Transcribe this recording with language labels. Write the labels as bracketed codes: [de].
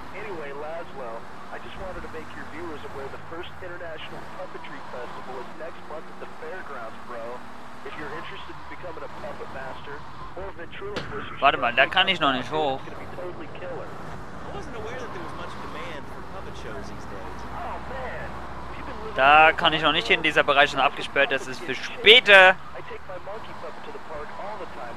[en] Anyway, Laswell, I just wanted to make your viewers aware the first international puppetry festival is next month at the fairgrounds, bro. If you're interested in becoming a puppet master or a ventriloquist, [de] warte mal, da kann ich noch nicht hoch. [en] Totally, I wasn't aware that there was much demand for puppet shows these days. [de] Oh man, da kann ich noch nicht hin, dieser Bereich ist abgesperrt, das ist für später. [en] I take my monkey puppet to the park all the time.